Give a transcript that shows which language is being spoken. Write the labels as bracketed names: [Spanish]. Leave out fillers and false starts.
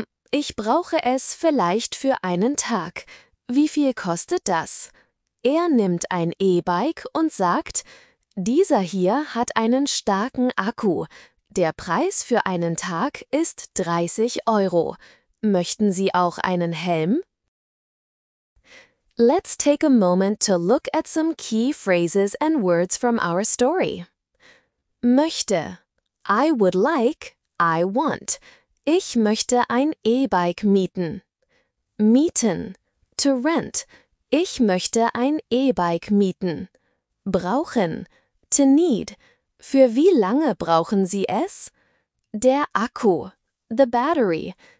[German] Ich brauche es vielleicht für einen Tag. Wie viel kostet das? Er nimmt ein E-Bike und sagt, dieser hier hat einen starken Akku. Der Preis für einen Tag ist 30 Euro. Möchten Sie auch einen Helm? [English] Let's take a moment to look at some key phrases and words from our story. Möchte. I would like. I want. [German] Ich möchte ein E-Bike mieten. Mieten. [English] To rent. [German] Ich möchte ein E-Bike mieten. Brauchen. [English] To need. [German] Für wie lange brauchen Sie es? Der Akku. [English] The battery.